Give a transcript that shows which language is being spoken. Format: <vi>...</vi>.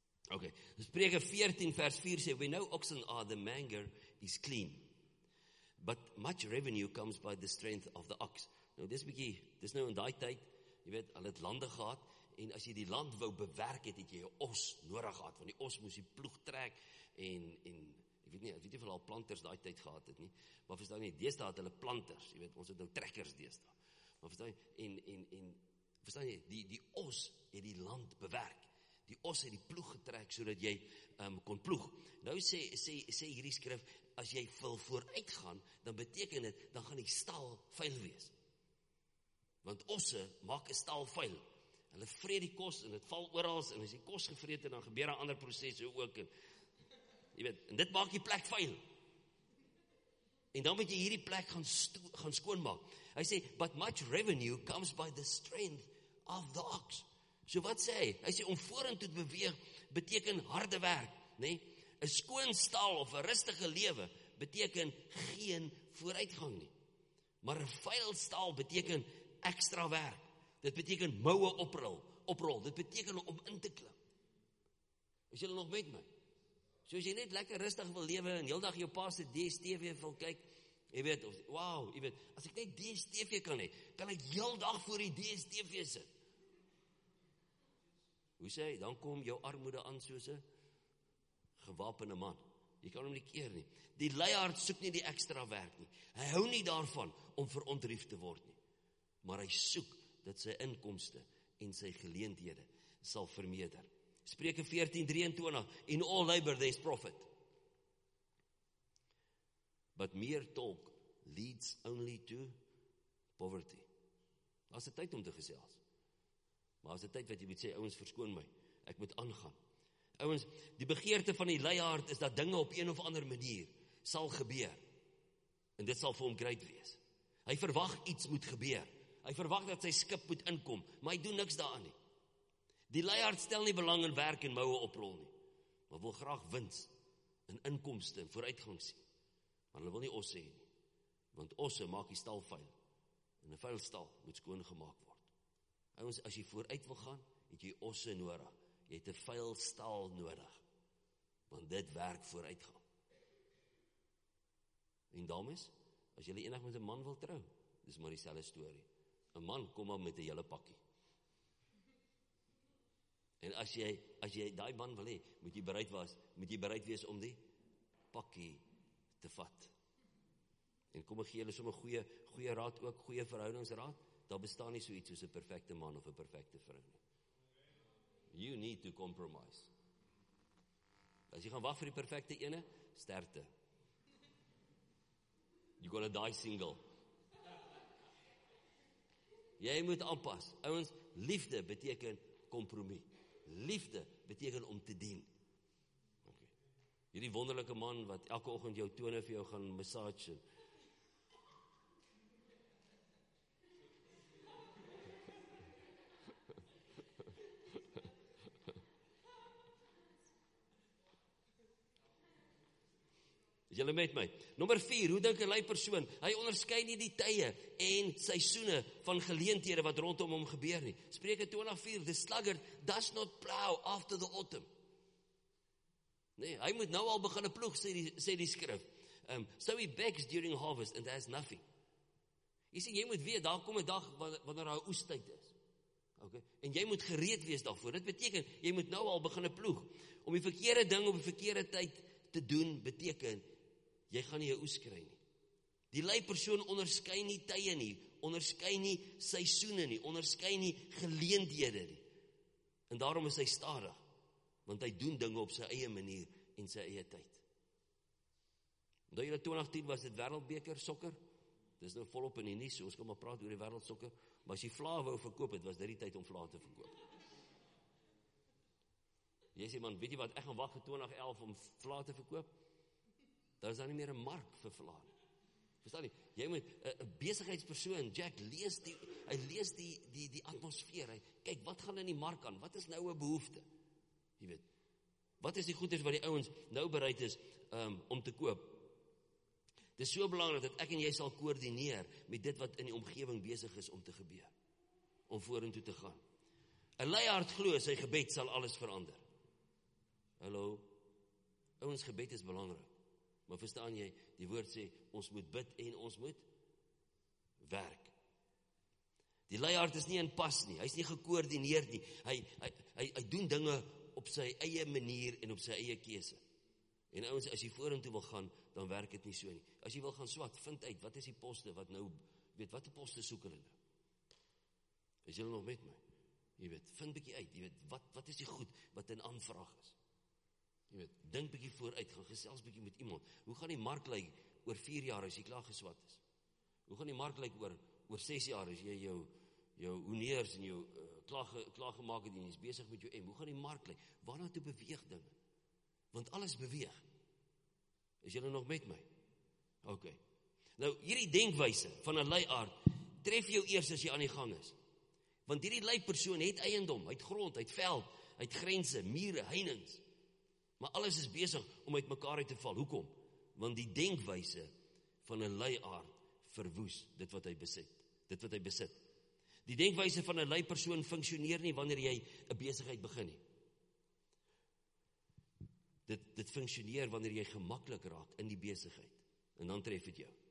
<af>Ok, Spreuke 14 vers 4 sê,</af> <en>we know oxen are the manger is clean, but much revenue comes by the strength of the ox.</en> <af>Nou, dis bykie, dis nou in die tyd, jy weet, al het lande gehad, en as jy die land wou bewerk het, het jy jou os nodig gehad, want die os moes die ploeg trek, en, ek weet nie, ek weet nie of al planters die tyd gehad het nie, maar verstaan nie, deesda had hulle planters, jy weet, ons het nou trekkers deesda, maar verstaan nie, en, verstaan nie, die os het die land bewerk, die os het die ploeg getrek, so dat jy kon ploeg. Nou sê hierdie skrif, as jy wil vooruit gaan, dan beteken het, dan gaan die stal vuil wees. Want osse maak een stal vuil. Hulle vreet die kos en het val oorals en as die kos gevreet en dan gebeur een ander proces ook. En, jy weet, en dit maak die plek vuil. En dan moet jy hierdie plek gaan skoonmaak. Hy sê,</af> <en>but much revenue comes by the strength of the ox.</en> <af>So wat sê hy? Hy sê, om voorin toe te beweeg beteken harde werk. Nee? Een skoon stal of een rustige lewe beteken geen vooruitgang nie. Maar een vuil stal beteken extra werk, dit beteken mouwe oprol, dit beteken om in te klim. Is julle nog met my? So as jy net lekker rustig wil lewe en heel dag jou pa se DSTV wil kyk, jy weet, of, wow, jy weet, as ek net DSTV kan hê, kan ek heel dag voor die DSTV sit. Hoe sê, dan kom jou armoede aan soos een gewapende man. Jy kan hom nie keer nie. Die leihard soek nie die extra werk nie. Hy hou nie daarvan om verontrief te word nie. Maar hy soek dat sy inkomste en sy geleenthede sal vermeerder.</af> <en>Spreuke 14:23, in all labor there is profit. But mere talk leads only to poverty.</en> <af>Daar is die tyd om te gesels. Maar daar is die tyd wat jy moet sê, ouwens verskoon my, ek moet aangaan. Ouwens, die begeerte van die leihard is dat dinge op een of ander manier sal gebeur. En dit sal vir hom great wees. Hy verwag iets moet gebeur. Hy verwag dat sy skip moet inkom, maar hy doen niks daaraan nie. Die leihard stel nie belang in werk en mouwe oprol nie, maar wil graag wins en inkomste en vooruitgang sien. Maar hulle wil nie osse nie, want osse maak die stal vuil, en die vuil stal moet skoon gemaakt word. Ouens, as jy vooruit wil gaan, het jy osse nodig, jy het die vuil stal nodig, want dit werk vooruitgang. En dames, as jy enig met 'n man wil trou, dis maar die selle story. Een man kom maar met die hele pakkie. En as jy die man wil hê, moet jy bereid wees om die pakkie te vat. En kom ek gee julle sommer goeie raad ook, goeie verhoudingsraad, daar bestaan nie so iets soos 'n perfekte man of 'n perfekte vrou nie.</af> <en>You need to compromise.</en> <af>As jy gaan wag vir die perfekte ene, sterkte.</af> <en>You gonna die single.</en> <af>Jy moet aanpas. Ouwens, liefde beteken kompromie. Liefde beteken om te dien. Okay. Hierdie wonderlike man wat elke oggend jou tone vir jou gaan massage het. Julle met my. Nommer 4, hoe dink 'n lui persoon? Hy onderskei nie die tye en seisoene van geleenthede wat rondom hom gebeur nie. Spreuke 20:4,</af> <en>the sluggard does not plow after the autumn.</en> <af>Nee, hy moet nou al begin ploeg, sê die skrif.</af> <en>So he begs during harvest and there's nothing.</en> <af>Jy sien, jy moet weet, daar kom 'n dag wanneer daar oestyd is. Okay. En jy moet gereed wees daarvoor. Dit beteken, jy moet nou al begin ploeg. Om die verkeerde ding op die verkeerde tyd te doen, beteken, jy gaan nie jou oes kry nie. Die lui persoon onderskei nie tye nie, onderskei nie seisoene nie, onderskei nie geleenthede nie. En daarom is hy stadig, want hy doen dinge op sy eie manier en sy eie tyd. Onthou julle 2010 was dit wêreldbeker sokker, dis nou volop in die nuus, ons kan maar praat oor die wêreldsokker, maar as jy vla wou verkoop het, was dit die tyd om vla te verkoop. Jy sê man, weet jy wat, ek gaan wacht vir 2011 om vla te verkoop, daar is daar nie meer een mark vir vlaan. Verstaan nie, jy moet, een besigheidspersoon, Jack, lees die atmosfeer, hy, kyk, wat gaan in die mark aan, wat is nou een behoefte? Jy weet, wat is die goeders wat die ouwens nou bereid is om te koop? Het is so belangrijk dat ek en jy sal koordineer met dit wat in die omgeving bezig is om te gebeur, om voor en toe te gaan. Een leihard glo, sy gebed sal alles verander. Hallo, ouwens gebed is belangrijk. Maar verstaan jy, die woord sê, ons moet bid en ons moet werk. Die leihard is nie in pas nie, hy is nie gekoördineerd nie, hy doen dinge op sy eie manier en op sy eie keuse. En ouwens, as jy voor en toe wil gaan, dan werk het nie so nie. As jy wil gaan swat, vind uit, wat is die poste, wat nou, weet, wat die poste soek hulle nou? Is julle nog met my? Jy weet, vind bykie uit, jy weet, wat is die goed wat in aanvraag is? Jy weet, dink bykie vooruit, gaan gesels bykie met iemand. Hoe gaan die mark lyk oor 4 jaar as jy klaar geswat is? Hoe gaan die mark lyk oor 6 jaar as jy jou hoeneers en jou klaargemaak het en jy is bezig met jou M? Hoe gaan die mark lyk? Waarna toe beweeg dinge? Want alles beweeg. Is jy nog met my? Ok. Nou, hierdie denkwyse van 'n lui aard, tref jou eers as jy aan die gang is. Want hierdie lui persoon het eiendom, het grond, het veld, het grense, mure, heininge. Maar alles is besig om uit mekaar uit te val. Hoekom? Want die denkwyse van 'n lui aard verwoes dit wat hy besit. Dit wat hy besit. Die denkwyse van 'n lui persoon funksioneer nie wanneer jy 'n besigheid begin nie. Dit funksioneer wanneer jy gemaklik raak in die besigheid. En dan tref het jou.</af>